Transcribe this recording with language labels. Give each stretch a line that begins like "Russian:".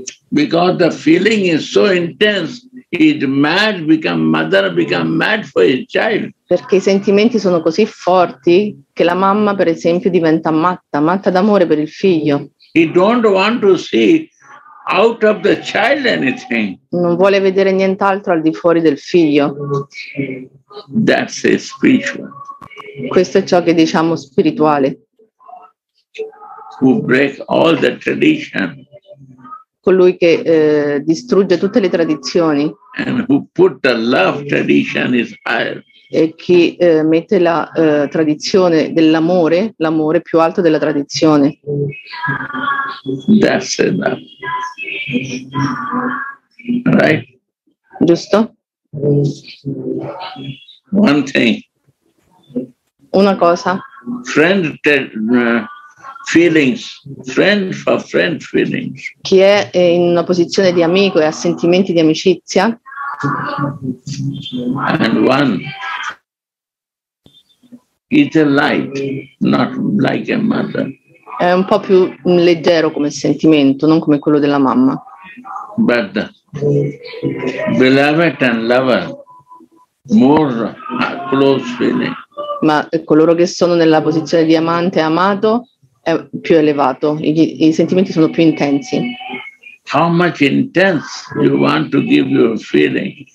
English: Because the feeling is so intense, it mad become mother become mad for his child.
Italian: Perché i sentimenti sono così forti che la mamma, per esempio, diventa matta, matta d'amore per il figlio.
English: He don't want to see out of the child anything.
Italian: Non vuole vedere nient'altro al di fuori del figlio.
English: That's a spiritual.
Italian: Questo è ciò che diciamo spirituale.
English: Who break all the tradition.
Italian: Colui che distrugge tutte le tradizioni.
English: And who put the love tradition is higher.
Italian: E chi mette la tradizione dell'amore, l'amore più alto della tradizione.
English: That's enough. Right?
Italian: Giusto?
English: One thing.
Italian: Una cosa.
English: Friend feelings, friend for friend feelings.
Italian: Chi è in una posizione di amico e ha sentimenti di amicizia.
English: And one. It's a light, not like a mother.
Italian: È un po' più leggero come sentimento, non come quello della mamma.
English: But beloved and lover, more close feeling.
Italian: Ma coloro che sono nella posizione di amante e amato è più elevato, i sentimenti sono più intensi.
English: How much intense you want to give your feeling?